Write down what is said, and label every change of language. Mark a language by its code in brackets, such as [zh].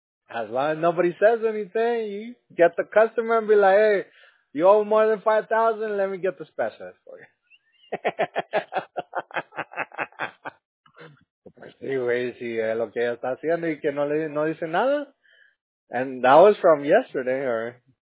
[en] As long as nobody says anything, you get the customer and be like, hey, you owe more than $5,000, let me get the specialist for you. [es] Pues sí, güey, sí, es lo que ella está haciendo y que no dice nada. [en] And that was from yesterday, or...